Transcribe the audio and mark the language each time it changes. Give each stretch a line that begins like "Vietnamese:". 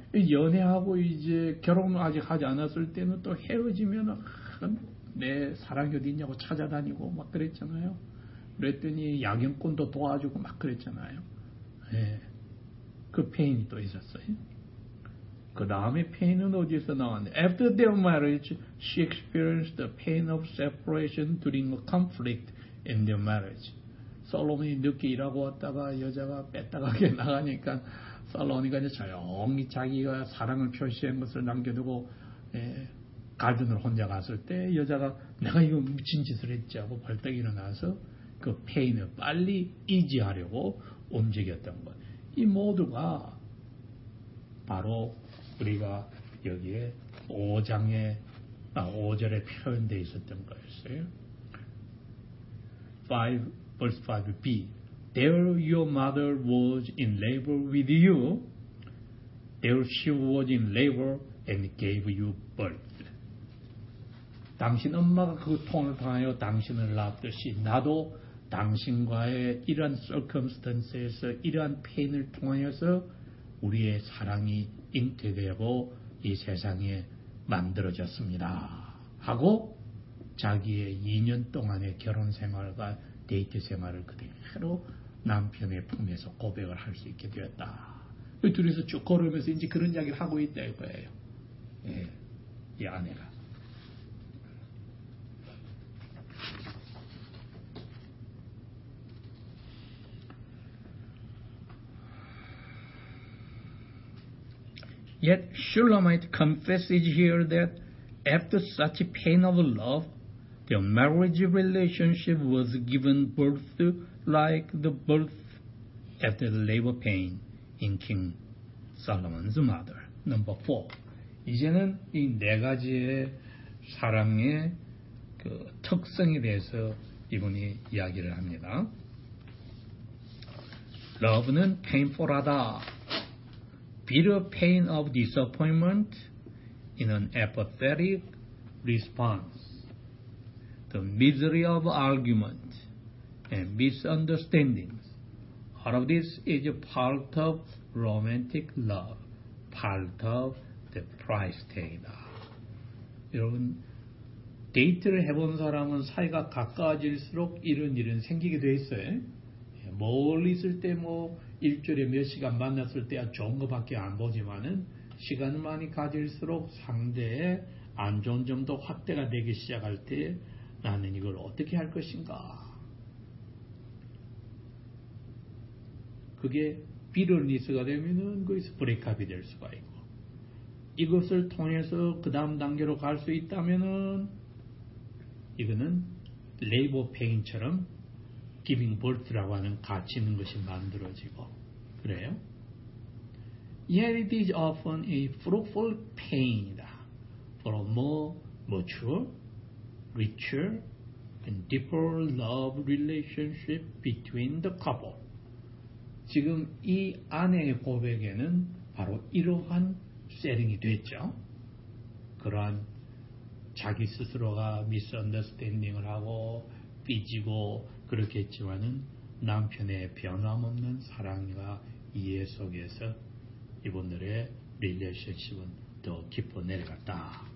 Korean: 연애하고 이제 결혼을 아직 하지 않았을 때는 또 헤어지면 내 사랑이 어디 있냐고 찾아다니고 막 그랬잖아요. 그랬더니 야경꾼도 도와주고 막 그랬잖아요. 예, 그 페인이 또 있었어요. 그 다음에 pain은 어디서 나왔냐?
English: After their marriage, she experienced the pain of separation during a conflict in their marriage.
Korean: 솔로몬이 늦게 일하고 왔다가 여자가 뺐다가 나가니까 솔로몬이가 이제 조용히 자기가 사랑을 표시한 것을 남겨두고 가든으로 혼자 갔을 때 여자가 내가 이거 미친 짓을 했지 하고 벌떡 일어나서 그 pain을 빨리 이지하려고 움직였던 것. 이 모두가 바로 우리가 여기에 5장에 5절에 표현되어 있었던 거였어요.
English: 5 verse 5b. There your mother was in labor with you. There she was in labor and gave you birth.
Korean: 당신 엄마가 그 통을 통하여 당신을 낳았듯이 나도 당신과의 이러한 circumstances에서 이러한 pain을 통하여서 우리의 사랑이 잉태되고 이 세상에 만들어졌습니다 하고 자기의 2년 동안의 결혼 생활과 데이트 생활을 그대로 남편의 품에서 고백을 할 수 있게 되었다 둘이서 쭉 걸으면서 이제 그런 이야기를 하고 있다 이거예요 예, 이 아내가
English: Yet Shulamite confesses here that after such a pain of love, their marriage relationship was given birth like the birth after the labor pain in King Solomon's mother. Number four.
Korean: 이제는 이 네 가지의 사랑의 그 특성에 대해서 이분이 이야기를 합니다.
English: Love는 painful하다. Bitter pain of disappointment in an apathetic response. The misery of argument and misunderstandings. All of this is a part of romantic love. Part of the price tag이다.
Korean: 여러분, 데이트를 해본 사람은 사이가 가까워질수록 이런 일은 생기게 돼 있어요. 멀리 있을 때 뭐 일주일에 몇 시간 만났을 때야 좋은 것밖에 안 보지만은 시간을 많이 가질수록 상대의 안 좋은 점도 확대가 되기 시작할 때 나는 이걸 어떻게 할 것인가. 그게 비르니스가 되면은 거기서 브레이크업이 될 수가 있고 이것을 통해서 그 다음 단계로 갈 수 있다면은 이거는 레이버 페인처럼 기빙 볼트라고 하는 가치 있는 것이 만들어지고 그래요.
English: Yet it is often a fruitful pain이다. For a more mature, richer, and deeper love relationship between the couple.
Korean: 지금 이 아내의 고백에는 바로 이러한 세팅이 됐죠. 그러한 자기 스스로가 미스언더스탠딩을 하고 삐지고 그렇겠지만은 남편의 변함없는 사랑과 이해 속에서 이분들의 릴레이션십은 더 깊어 내려갔다.